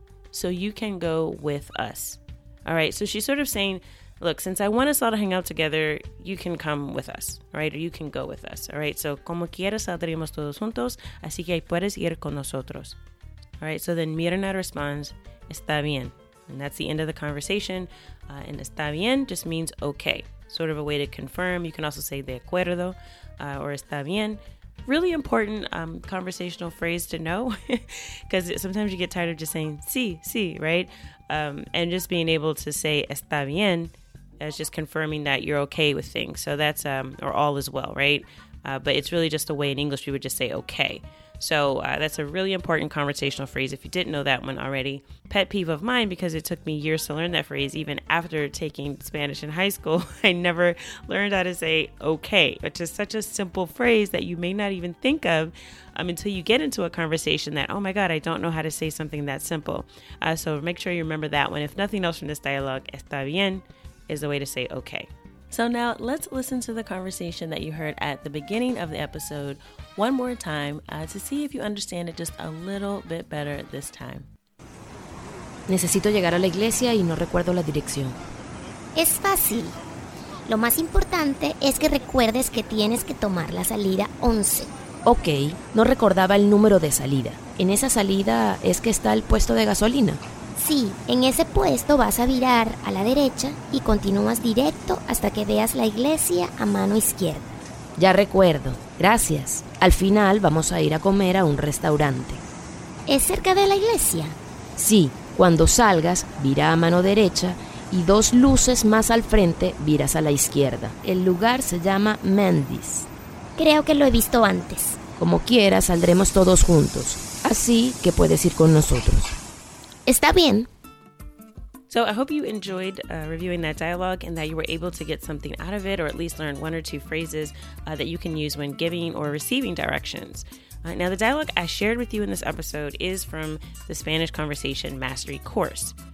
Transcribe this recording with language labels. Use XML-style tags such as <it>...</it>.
<en>So you can go with us. All right, so she's sort of saying, look, since I want us all to hang out together, you can come with us, right? Or you can go with us, all right? So,</en> <es>como quieras, saldremos todos juntos, así que puedes ir con nosotros.</es> <en>All right, so then Mirna responds, está bien. And that's the end of the conversation. And está bien just means okay, sort of a way to confirm. You can also say de acuerdo or está bien. Really important conversational phrase to know because sometimes you get tired of just saying sí, sí, right? And just being able to say está bien is just confirming that you're okay with things. So that's, or all is well, right? But it's really just a way in English we would just say okay. So that's a really important conversational phrase if you didn't know that one already. Pet peeve of mine because it took me years to learn that phrase. Even after taking Spanish in high school, I never learned how to say okay, which is such a simple phrase that you may not even think of until you get into a conversation that, oh my God, I don't know how to say something that simple. So make sure you remember that one. If nothing else from this dialogue, está bien is the way to say okay. So now let's listen to the conversation that you heard at the beginning of the episode one more time to see if you understand it just a little bit better this time.</en> <es>Necesito llegar a la iglesia y no recuerdo la dirección. Es fácil. Lo más importante es que recuerdes que tienes que tomar la salida 11. Ok, no recordaba el número de salida. ¿En esa salida es que está el puesto de gasolina? Sí, en ese puesto vas a virar a la derecha y continúas directo hasta que veas la iglesia a mano izquierda. Ya recuerdo, gracias. Al final vamos a ir a comer a un restaurante. ¿Es cerca de la iglesia? Sí, cuando salgas, vira a mano derecha y dos luces más al frente viras a la izquierda. El lugar se llama Mendy's. Creo que lo he visto antes. Como quiera, saldremos todos juntos, así que puedes ir con nosotros. Está bien.</es> <en>So I hope you enjoyed reviewing that dialogue and that you were able to get something out of it or at least learn one or two phrases that you can use when giving or receiving directions. Now, the dialogue I shared with you in this episode is from the Spanish Conversation Mastery course.</en>